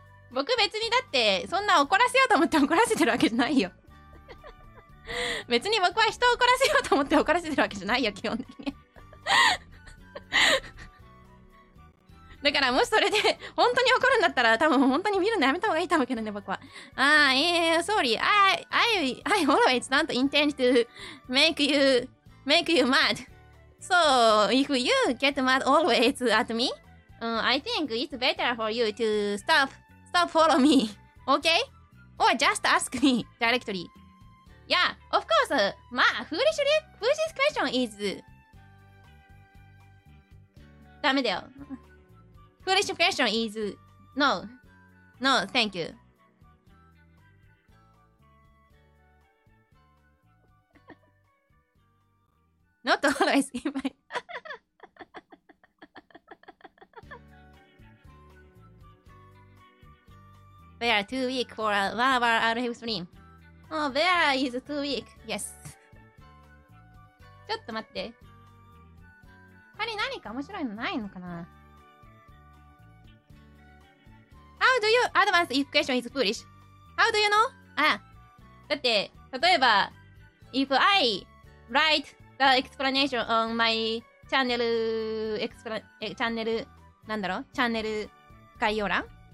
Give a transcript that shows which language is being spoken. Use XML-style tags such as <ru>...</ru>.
<ja>僕別にだってそんな怒らせようと思って怒らせてるわけじゃないよ。別に僕は人を怒らせようと思って怒らせてるわけじゃないよ基本的に。だからもしそれで本当に怒るんだったら多分本当に見るのやめた方がいいと思うけどね僕は。</ja> <en>ああ、sorry, I always don't intend to make you mad. So if you get mad always at me,、I think it's better for you to stop follow me, okay? Or just ask me directly. Yeah, of course, まあ foolish question is</en> <ja>ダメだよ。</ja> <en>Foolish question is no, thank you. Not always, in my... They are too weak for a 1 hour RF stream. Oh, they are is too weak, yes.</en> <ja>ちょっと待って。他に何か面白いのないのかな？</ja> <en>How do you advance if question is foolish? How do you know? ああ。</en> <ja>だって、例えば、</ja> <en>if I write the explanation on my channel, channel,</en> <ja>なんだろう？チャンネル概要欄？</ja>